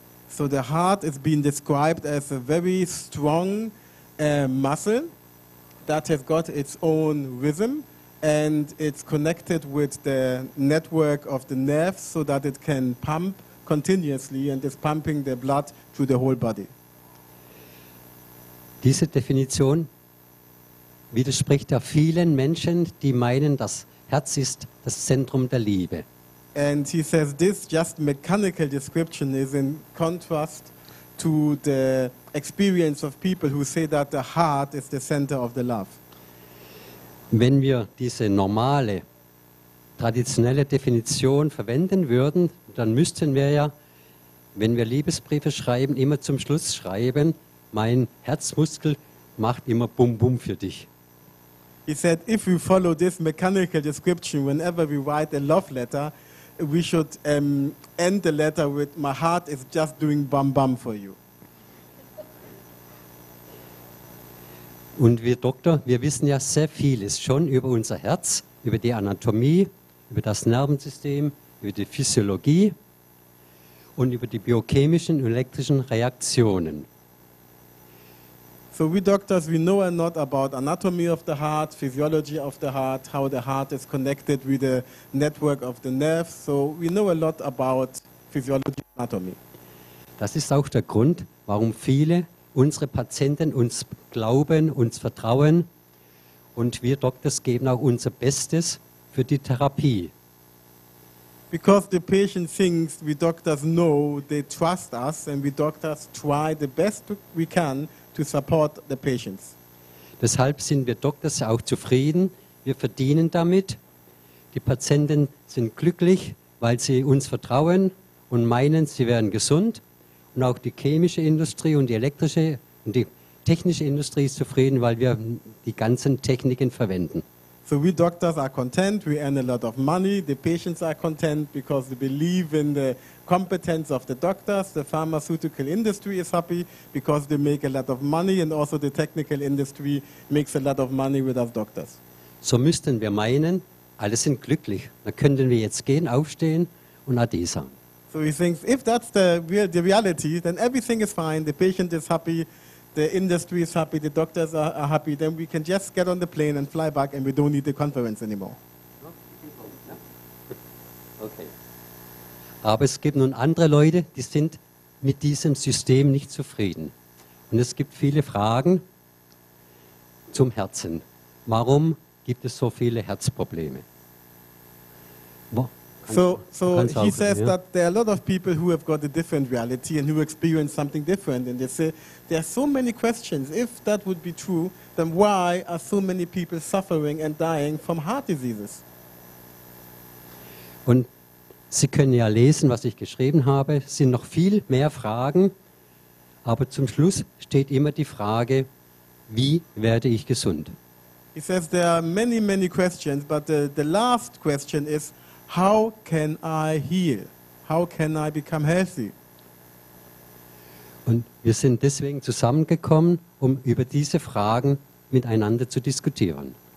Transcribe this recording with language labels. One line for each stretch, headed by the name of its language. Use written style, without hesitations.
English: So the heart is being described as a very strong muscle that has got its own rhythm and it's connected with the network of the nerves so that it can pump continuously and is pumping the blood through the whole body.
German: Diese Definition widerspricht ja vielen Menschen, die meinen, das Herz ist das Zentrum der Liebe.
English: And he says this just mechanical description is in contrast to the experience of people who say that the heart is the center of the love.
German: Wenn wir diese normale, traditionelle Definition verwenden würden, dann müssten wir ja, wenn wir Liebesbriefe schreiben, immer zum Schluss schreiben, mein Herzmuskel macht immer bum bum für dich.
English: He said if we follow this mechanical description whenever we write a love letter, we should end the letter with my heart is just doing bum bum for you.
German: Und wir Doktor, wir wissen ja sehr vieles schon über unser Herz, über die Anatomie, über das Nervensystem, über die Physiologie und über die biochemischen und elektrischen Reaktionen.
English: So we doctors, we know a lot about anatomy of the heart, physiology of the heart, how the heart is connected with the network of the nerves. So we know a lot about physiology and anatomy.
German: Das ist auch der Grund, warum viele unsere Patienten uns glauben, uns vertrauen und wir Doctors geben auch unser Bestes für die Therapie.
English: Because the patient thinks we doctors know, they trust us and we doctors try the best we can to support the patients.
German: Deshalb sind wir Doktors auch zufrieden. Wir verdienen damit. Die Patienten sind glücklich, weil sie uns vertrauen und meinen, sie wären gesund. Und auch die chemische Industrie und die elektrische und die technische Industrie ist zufrieden, weil wir die ganzen Techniken verwenden.
English: So we doctors are content, we earn a lot of money, the patients are content because they believe in the competence of the doctors, the pharmaceutical industry is happy because they make a lot of money and also the technical industry makes a lot of money with our doctors.
German: So müssten wir meinen, alle sind glücklich, dann könnten wir jetzt gehen, aufstehen und Ade sagen.
English: So he thinks, if that's the reality, then everything is fine, the patient is happy. The industry is happy, the doctors are happy, then we can just get on the plane and fly back and we don't need the conference anymore. Okay.
German: Aber es gibt nun andere Leute, die sind mit diesem System nicht zufrieden. Und es gibt viele Fragen zum Herzen. Warum gibt es so viele Herzprobleme?
English: So he says that there are a lot of people who have got a different reality and who experience something different. And they say, there are so many questions. If that would be true, then why are so many people suffering and dying from heart diseases?
German: Und Sie können ja lesen, was ich geschrieben habe. Es sind noch viel mehr Fragen. Aber zum Schluss steht immer die Frage, wie werde ich gesund?
English: He says there are many, many questions, but the last question is, how can I heal? How can I become healthy?
German: Und wir sind deswegen zusammengekommen, um über diese Fragen miteinander zu diskutieren.